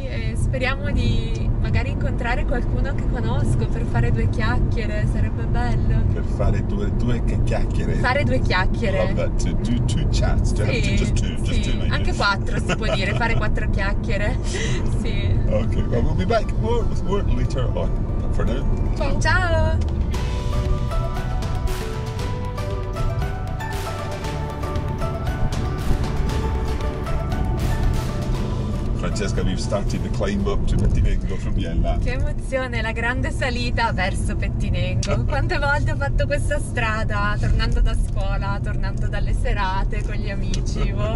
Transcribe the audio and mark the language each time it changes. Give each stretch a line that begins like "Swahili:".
Italian: E speriamo di magari incontrare qualcuno che conosco per fare due chiacchiere, sarebbe bello. Per fare due che chiacchiere? Fare due chiacchiere.
English: Love that, two chats.
Italian: Sì, anche quattro si può dire, fare quattro chiacchiere. Sì.
English: Ok, well, we'll be back with more later on. For now.
Italian: Ciao.
English: Francesca, we've started the climb up to Pettinengo from Biella.
Italian: Che emozione, la grande salita verso Pettinengo. Quante volte ho fatto questa strada, tornando da scuola, tornando dalle serate con gli amici.